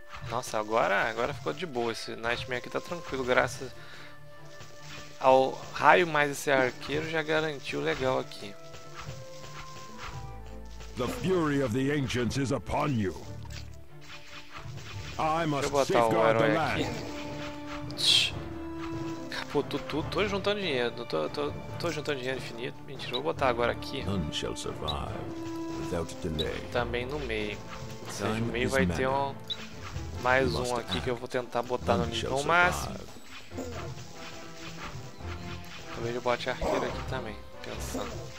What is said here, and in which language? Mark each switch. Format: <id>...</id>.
<pt>Nossa, agora ficou de boa. Esse Nightmare aqui tá tranquilo, graças ao raio mais esse arqueiro já garantiu legal aqui.</pt> <en>The fury of the ancients is upon you. I must</en> <pt>botar o herói aqui. Pô, tô juntando dinheiro. Tô juntando dinheiro infinito. Mentira, vou botar agora aqui.</pt> <en>None shall survive without delay.</en> <pt>Também no meio. Ou seja, no meio vai ter um mais um aqui que eu vou tentar botar no nível máximo. Talvez eu bote arqueiro aqui também, pensando.</pt>